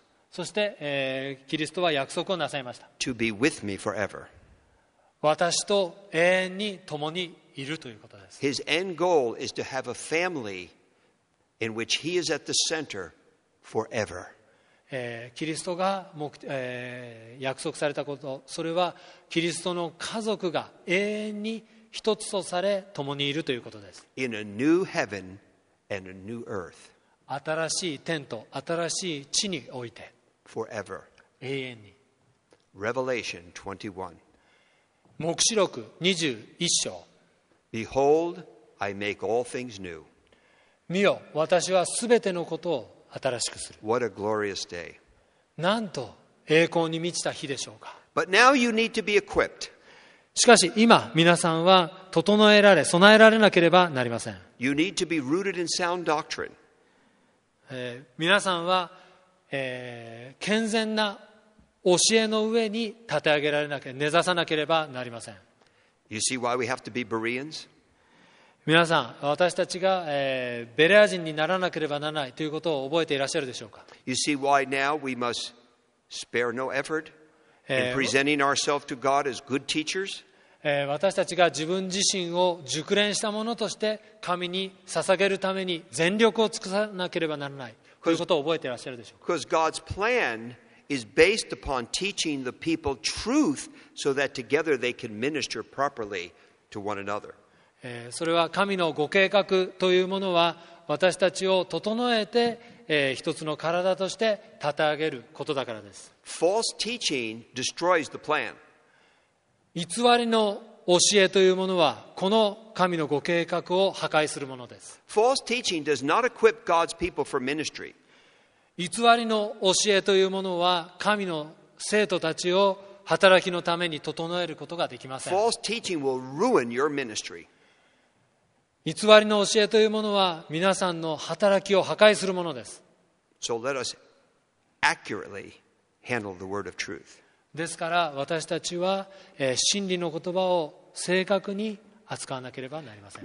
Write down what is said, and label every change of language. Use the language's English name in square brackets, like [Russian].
[Japanese] そして、キリストは約束をなさいました。 [English] To be with me forever. [Japanese] 私と永遠に共にいるということです。 [English] His end goal is to have a family in which he is at the center forever. [Japanese] キリストが約束されたこと、それはキリストの家族が永遠に一つとされ共にいるということです。 [English] In a new heaven and a new earth. [Japanese] 新しい天と新しい地において [English] forever. [Japanese] 永遠に。 [English] Revelation 21. [Japanese] 黙示録21章。 [English] Behold, I make all things new. [Japanese] 見よ、私はすべてのことを新しくする。 [English] What a glorious day. [Japanese] なんと栄光に満ちた日でしょうか。 [English] But now you need to be equipped. [Japanese] しかし今皆さんは整えられ備えられなければなりません。 [English] You need to be rooted in sound doctrine. [Japanese] 皆さんは、健全な教えの上に立て上げられなければ、根ざさなければなりません。 [English] You see why we have to be Bereans? [Japanese] 皆さん、私たちが、ベレア人にならなければならないということを覚えていらっしゃるでしょうか。 [English] You see why now we must spare no effort? In presenting ourselves to God as good teachers? [Japanese] 私たちが自分自身を熟練したものとして神に捧げるために全力を尽くさなければならないということを覚えていらっしゃるでしょうか。 [English] Because God's plan is based upon teaching the people truth so that together they can minister properly to one another. [Japanese] それは神のご計画というものは私たちを整えて一つの体として立て上げることだからです。 [English] False teaching destroys the plan. [Japanese] 偽りの教えというものはこの神のご計画を破壊するものです。 [English] False teaching does not equip God's people for ministry. [Japanese] 偽りの教えというものは神の生徒たちを働きのために整えることができません。 [English] False teaching will ruin your ministry. [Japanese] 偽りの教えというものは皆さんの働きを破壊するものです。 [English] So let us accurately handle the word of truth. [Japanese] ですから私たちは、真理の言葉を正確に扱わなければなりません。